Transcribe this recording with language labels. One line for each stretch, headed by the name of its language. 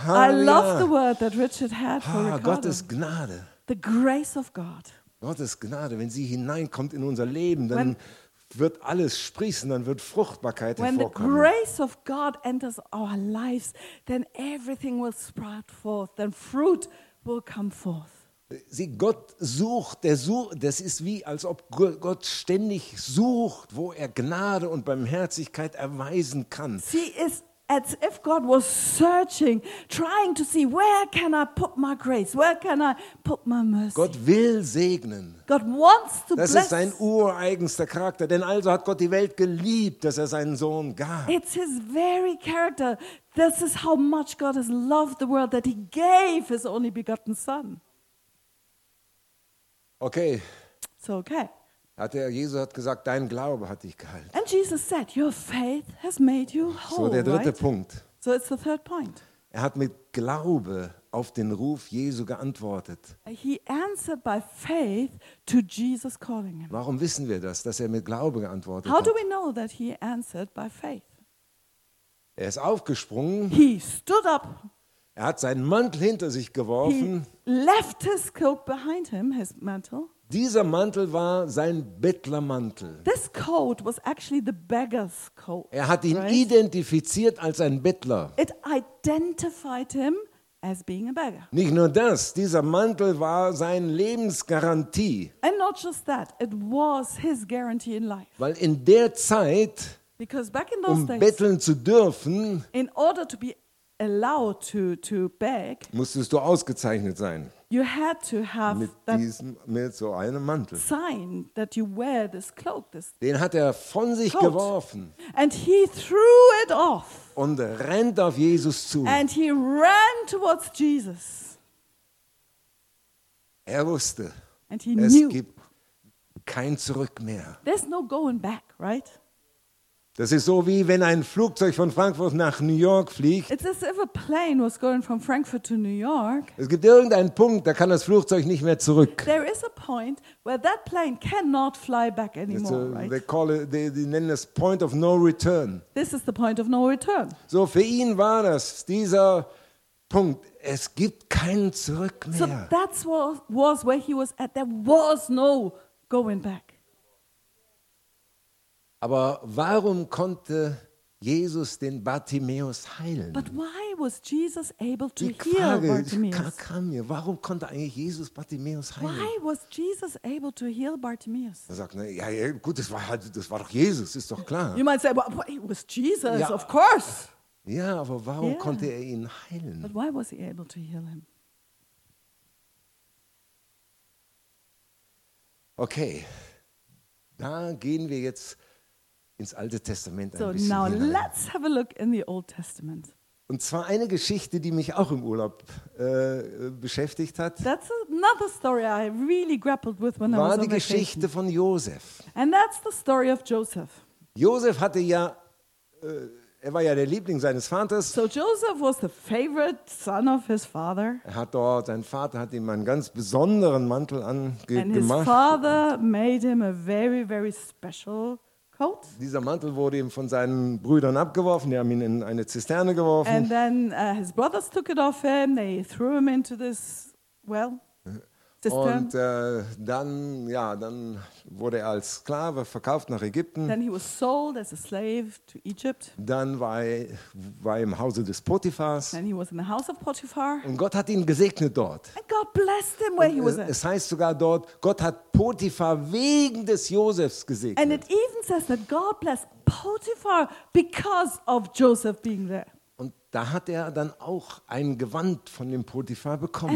English: I love the word that Richard had for Ricardo.
German: Gottes Gnade.
English: The grace of God.
German: Gottes Gnade, wenn sie hineinkommt in unser Leben, dann wird alles sprießen, dann wird Fruchtbarkeit hervorkommen.
English: When the grace of God enters our lives, then everything will sprout forth, then fruit will come forth.
German: Sie, Gott sucht, das ist wie, als ob Gott ständig sucht, wo er Gnade und Barmherzigkeit erweisen kann. Sie ist
English: as if God was searching, trying to see, where can I put my grace? Where can I put my mercy?
German: Gott will segnen.
English: God wants to
German: das
English: bless.
German: Das ist sein ureigenster Charakter. Denn also hat Gott die Welt geliebt, dass er seinen Sohn gab.
English: It's his very character. This is how much God has loved the world, that he gave his only begotten son. Okay. So, okay.
German: Jesus hat gesagt, dein Glaube hat dich geheilt.
English: And Jesus said, your faith has made you whole.
German: So der dritte
English: right?
German: Punkt.
English: So it's the third point.
German: Er hat mit Glaube auf den Ruf Jesu geantwortet.
English: He answered by faith to Jesus calling him.
German: Warum wissen wir das, dass er mit Glaube geantwortet
English: how
German: hat?
English: How do we know that he answered by faith?
German: Er ist aufgesprungen.
English: He stood up.
German: Er hat seinen Mantel hinter sich geworfen.
English: He left his coat behind him, his mantle.
German: Dieser Mantel war sein Bettlermantel.
English: This coat was actually the beggar's coat.
German: Er hat ihn right? identifiziert als ein Bettler.
English: It identified him as being a beggar.
German: Nicht nur das, dieser Mantel war seine Lebensgarantie.
English: And not just that, it was his guarantee in life.
German: Weil in der Zeit,
English: because back in those
German: um betteln
English: days,
German: zu dürfen,
English: in order to be allowed to beg,
German: musstest du ausgezeichnet sein.
English: You had to have
German: mit diesem, mit so einem Mantel.
English: Sign that you wear this cloak, this
German: den hat er von sich
English: coat.
German: Geworfen.
English: And he threw it off.
German: Und rennt auf Jesus zu.
English: And he ran towards Jesus.
German: Er wusste,
English: and he
German: es
English: knew.
German: Gibt kein Zurück mehr.
English: There's no going back, right?
German: Das ist so, wie wenn ein Flugzeug von Frankfurt nach New York fliegt.
English: It's as if a plane was going from Frankfurt to New York.
German: Es gibt irgendeinen Punkt, da kann das Flugzeug nicht mehr zurück.
English: There is a point where that plane cannot fly back anymore, right? They call it, they
German: nennen es
English: point of no return. This is the point of no return.
German: So, für ihn war das, dieser Punkt, es gibt keinen Zurück mehr.
English: So, that's what was where he was at. There was no going back.
German: Aber warum konnte Jesus den Bartimäus heilen?
English: But why was Jesus able to
German: die Frage
English: heal
German: kam mir, warum konnte eigentlich Jesus Bartimäus heilen?
English: Why was Jesus able to heal Bartimäus?
German: Er sagt, ja, gut, das war doch Jesus, ist doch klar.
English: You might say, but it was Jesus, ja. Of course.
German: Ja, aber warum yeah. konnte er ihn heilen?
English: But why was he able to heal him?
German: Okay, da gehen wir jetzt ins Alte Testament ein bisschen.
English: So now
German: hinein.
English: Let's have a look in the Old Testament.
German: Und zwar eine Geschichte, die mich auch im Urlaub beschäftigt hat.
English: That's another story I really grappled with when I was on vacation.
German: War die Geschichte von Josef.
English: And that's the story of Joseph.
German: Josef hatte ja er war ja der Liebling seines Vaters.
English: So Joseph was the favorite son of his father.
German: Er hat dort, sein Vater hat ihm einen ganz besonderen Mantel gemacht.
English: His father made him a very very special.
German: Dieser Mantel wurde ihm von seinen Brüdern abgeworfen. Die haben ihn in eine Zisterne geworfen.
English: And then his brothers took it off him. They threw him into this well. Cistern.
German: Und dann wurde er als Sklave verkauft nach Ägypten.
English: Then he was sold as a slave to Egypt.
German: Dann war er im Hause des Potiphars.
English: Then he was in the house of Potiphar.
German: Und Gott hat ihn gesegnet dort.
English: And God blessed him where he was.
German: Es heißt sogar dort, Gott hat Potiphar wegen des Josefs gesegnet.
English: And it even says that God blessed Potiphar because of Joseph being there.
German: Und da hat er dann auch ein Gewand von dem Potiphar bekommen.